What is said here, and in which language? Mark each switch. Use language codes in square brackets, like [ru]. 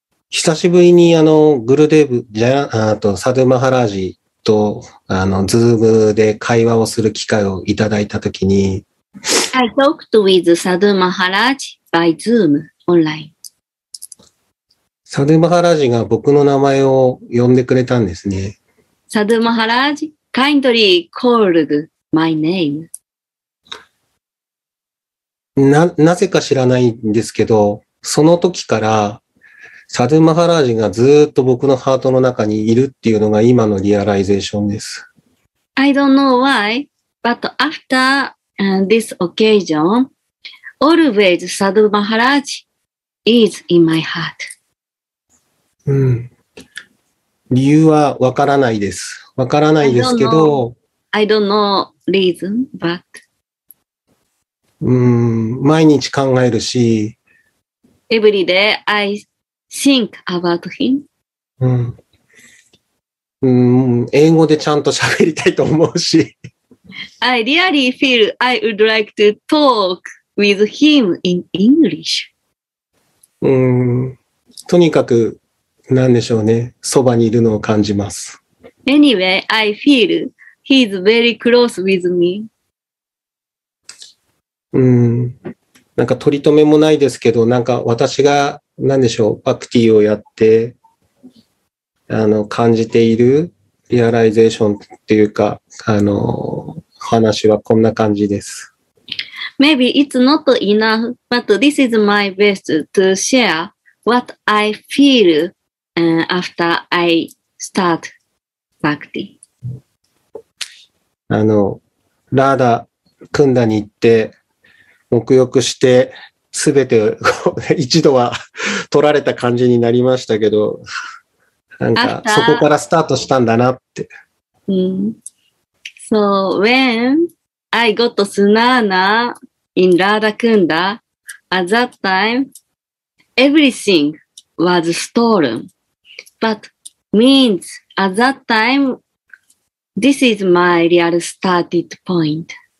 [ja] 久しぶりにグルデーブ、サドゥマハラージとズームで会話をする機会をいただいたときに。 [en] I talked with Sadhu Maharaj by Zoom online. [ja] サドゥマハラージが僕の名前を呼んでくれたんですね。 [en] サドゥマハラージ?Kindly called my name. [ja] なぜか知らないんですけど、その時からサドゥマハラージがずっと僕のハートの中にいるっていうのが今のリアライゼーションです。 [en] I don't know why, but after this occasion, always サドゥマハラージ is in my heart. [ja] 理由はわからないです。わからないですけど。 [en] I don't know reason, but. [ja] 毎日考えるし。 [en] Every day I think about him. [ja] 英語でちゃんと喋りたいと思うし。 [en] I really feel I would like to talk with him in English. [ja] とにかく、なんでしょうね。そばにいるのを感じます。 [en] Anyway, I feel he's very close with me. [ja] なんか取り留めもないですけど、なんか私が、なんでしょう、バクティをやって、感じているリアライゼーションっていうか、話はこんな感じです。 [en] Maybe it's not enough, but this is my best to share what I feel after I start. bhakti. [ja] あの、ラーダ、クンダに行って、沐浴して、すべて一度は取られた感じになりましたけど、なんかそこからスタートしたんだなって。 [en] So, when I got to Snana in Radha Kunda, at that time, everything was stolen. But means at that time, this is my real started point.